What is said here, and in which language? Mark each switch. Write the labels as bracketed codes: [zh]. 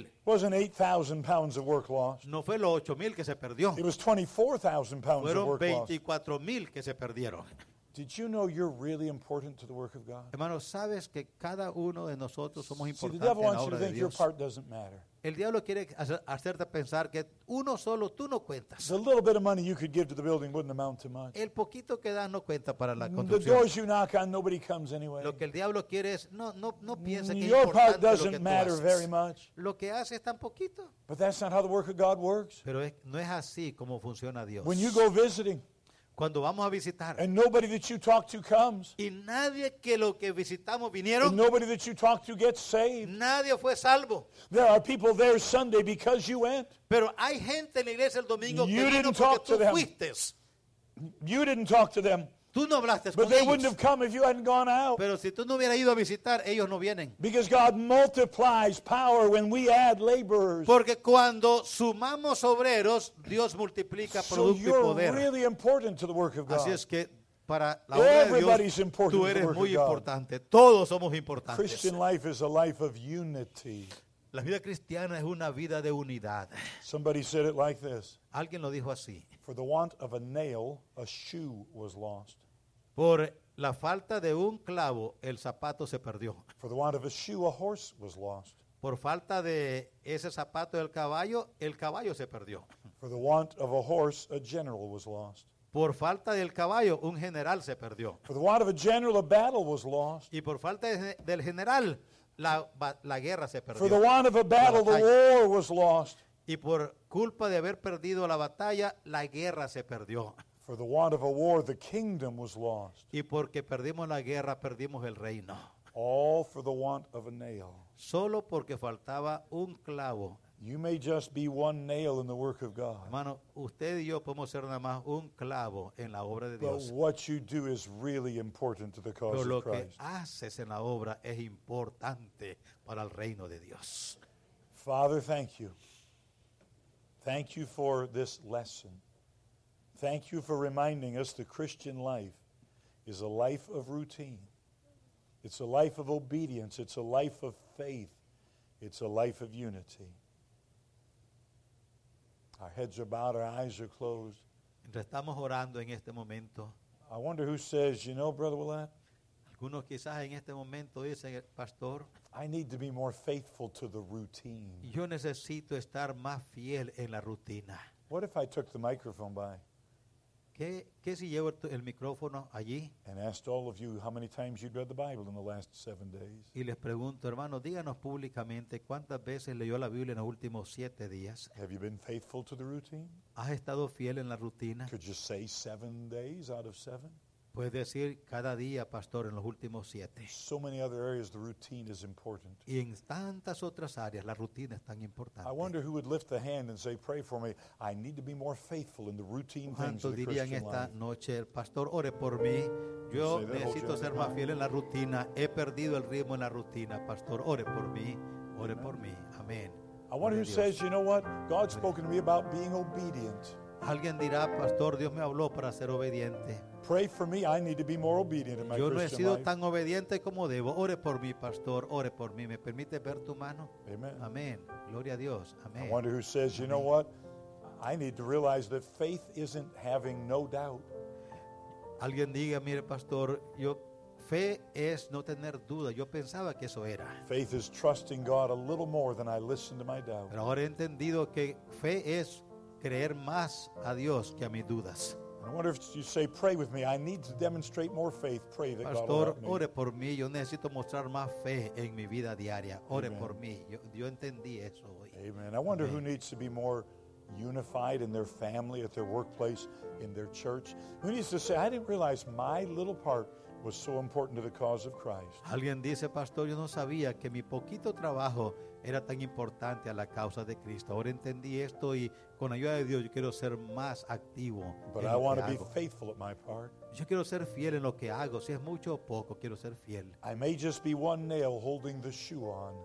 [en] It wasn't 8,000 pounds of work lost. [es] No fue los 8,000 que se perdió. [en] It was 24,000 pounds [es] fueron [en] of work [es] 24,000 [en] lost. [es] Que se perdieron. [en] Did you know you're really important to the work of God? [es] Hermanos, ¿sabes que cada uno de nosotros somos importantes en la obra de [en] See, the devil wants you to think your part doesn't matter. [es] El diablo quiere hacerte pensar que uno solo, tú no cuentas. [en] The little bit of money you could give to the building wouldn't amount to much. [es] El poquito que das no cuenta para la construcción. [en] The doors you knock on, nobody comes anyway. [es] Lo que el diablo quiere es, no piensa que [en] your part doesn't matter very much. [es] Lo que haces tan poquito. [en] But that's not how the work of God works. [es] Pero no es así como funciona Dios. [en] When you go visiting, [es] cuando vamos a visitar, [en] and nobody that you talk to comes, [es] y nadie que lo que visitamos vinieron, [en] and nobody that you talk to gets saved, [es] nadie fue salvo. [en] There are people there Sunday because you went. [es] Pero hay gente en la iglesia el domingo [en] you [es] que [en] didn't [es] vino [en] talk [es] porque [en] to [es] tú [en] them. [es] Fuiste. [en] You didn't talk to them. [es] Tú no hablaste [en] but [es] con [en] they [es] ellos. [en] Wouldn't have come if you hadn't gone out. [es] Pero si tú no hubieras ido a visitar, ellos no vienen. [en] Because God multiplies power when we add laborers. [es] Porque cuando sumamos obreros, Dios multiplica producto [en] so you're [es] y poder. [en] Really important to the work of God. [es] Así es que para la obra de Dios, tú eres muy importante. Todos somos importantes. [en] Christian life is a life of unity. [es] La vida cristiana es una vida de unidad. [en] Somebody said it like this. [es] Alguien lo dijo así. [en] For the want of a nail, a shoe was lost. [es] Por la falta de un clavo, el zapato se perdió. [en] For the want of a shoe, a horse was lost. [es] Por falta de ese zapato del caballo, el caballo se perdió. [en] For the want of a horse, a general was lost. [es] Por falta del caballo, un general se perdió. [en] For the want of a general, a battle was lost. [es] Y por falta del general, la guerra se perdió. [en] For the want of a battle, the war was lost. [es] Y por culpa de haber perdido la batalla, la guerra se perdió. [en] For the want of a war, the kingdom was lost. [es] Y porque perdimos la guerra, perdimos el reino. [en] All for the want of a nail. [es] Solo porque faltaba un clavo. [en] You may just be one nail in the work of God. [es] Hermano, usted y yo podemos ser nada más un clavo en la obra de Dios. [en] But what you do is really important to the cause of Christ. [es] Pero lo que haces en la obra es importante para el reino de Dios. [en] Father, thank you. Thank you for this lesson. Thank you for reminding us the Christian life is a life of routine. It's a life of obedience. It's a life of faith. It's a life of unity. Our heads are bowed, our eyes are closed. [es] Mientras estamos orando en este momento. [en] I wonder who says, you know, Brother Willett, [es] algunos quizás en este momento dicen, Pastor, [en] I need to be more faithful to the routine. [es] Yo necesito estar más fiel en la rutina. [en] What if I took the microphone by? [es] ¿Qué si llevo el micrófono allí? [en] And asked all of you how many times you'd read the Bible in the last 7 days. [es] Y les pregunto, hermano, díganos públicamente cuántas veces leyó la Biblia en los últimos 7 días. [en] Have you been faithful to the routine? [es] ¿Has estado fiel en la rutina? [en] Could you say 7 days out of 7? [es] Puedes decir cada día, pastor, en los últimos 7. [en] So many other areas, the routine is important. [es] Y en tantas otras áreas, la rutina es tan importante. [en] I wonder who would lift the hand and say, pray for me. I need to be more faithful in the routine things of the [es] ¿Cuánto dirían esta noche, pastor, ore por mí? Yo necesito ser más fiel en la rutina. He perdido el ritmo en la rutina. Pastor, ore por mí. Ore por mí. Amén. [en] I wonder who says, you know what? God's spoken to me about being obedient. [es] Alguien dirá, pastor, Dios me habló para ser obediente. [en] Pray for me, I need to be more obedient in my Christian [es] Yo no he sido tan obediente como debo. Ore por mí, pastor, ore por mí. ¿Me permite ver tu mano? [en] Amen. [es] Amén. Gloria a Dios. Amén. [en] I wonder who says, you know what? I need to realize that faith isn't having no doubt. [es] Alguien diga, mire, pastor, yo fe es no tener duda. Yo pensaba que eso era. [en] Faith is trusting God a little more than I listen to my doubt. [es] Pero ahora he entendido que fe es creer más a Dios que a mis dudas. [en] I wonder if you say, pray with me. I need to demonstrate more faith. Pray that [es] pastor, [en] God will help [es] me. Pastor, ore por mí. Yo necesito mostrar más fe en mi vida diaria. Ore Amen. Por mí. Yo entendí eso hoy. [en] Amen. I wonder Amen. Who needs to be more unified in their family, at their workplace, in their church. Who needs to say, I didn't realize my little part was so important to the cause of Christ. [es] Alguien dice, pastor, yo no sabía que mi poquito trabajo era tan importante a la causa de Cristo. Ahora entendí esto y con ayuda de Dios yo quiero ser más activo. [en] But I want to be faithful at my part. [es] Yo quiero ser fiel en lo que hago, si es mucho o poco, quiero ser fiel. [en] I may just be one nail holding the shoe on.